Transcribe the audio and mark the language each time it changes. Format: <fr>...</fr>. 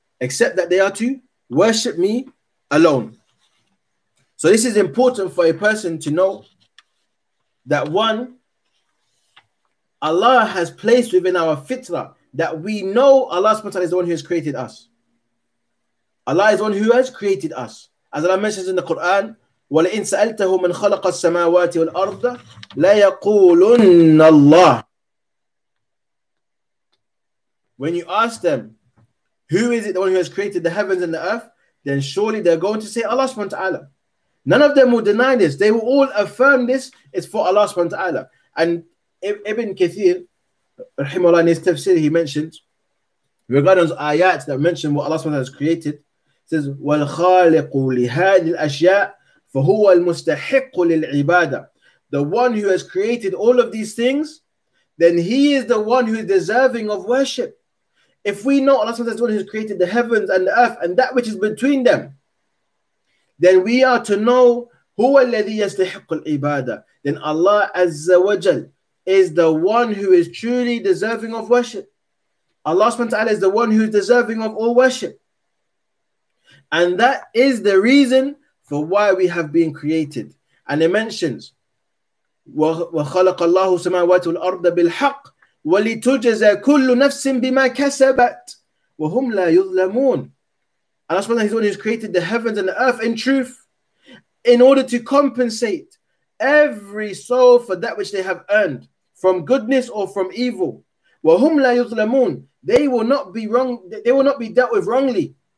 <en>Except that they are to worship me alone. So this is important for a person to know that, one, Allah has placed within our fitrah that we know Allah subhanahu wa ta'ala is the one who has created us. Allah is the one who has created us. As Allah mentions in the Quran,</en> <ar>وَلَئِنْ سَأَلْتَهُ مَنْ خَلَقَ السَّمَاوَاتِ وَالْأَرْضَ لَيَقُولُنَّ اللَّهِ.</ar> <en>When you ask them, who is it, the one who has created the heavens and the earth, then surely they're going to say Allah subhanahu wa ta'ala. None of them will deny this. They will all affirm this is for Allah subhanahu wa ta'ala. And Ibn Kathir, rahimahullah, in his tafsir, he mentions, regarding those ayats that mention what Allah subhanahu wa ta'ala has created, says,</en> <ar>وَالْخَالِقُ لِهَذِي الْأَشْيَاءِ فَهُوَ الْمُسْتَحِقُّ لِلْعِبَادَةِ.</ar> <en>The one who has created all of these things, then he is the one who is deserving of worship. If we know Allah is the one who has created the heavens and the earth and that which is between them, then we are to know</en> <ar>هُوَ الَّذِي يَسْتَحِقُّ الْعِبَادَةِ.</ar> <en>Then Allah Azza wa Jal is the one who is truly deserving of worship. Allah subhanahu wa ta'ala is the one who is deserving of all worship. And that is the reason for why we have been created. And it mentions,</en> <ar>وَخَلَقَ اللَّهُ سَمَاوَاتُ الْأَرْضَ بِالْحَقِّ وَلِتُجَزَى كُلُّ نَفْسٍ بِمَا كَسَبَتْ وَهُمْ لَا يُظْلَمُونَ.</ar> <en>Allah subhanahu wa ta'ala has created the heavens and the earth in truth in order to compensate every soul for that which they have earned from goodness or from evil.</en> <ar>وَهُمْ لَا يُظْلَمُونَ</ar> <en>They will not be wrong. They will not be dealt with wrongly.</en>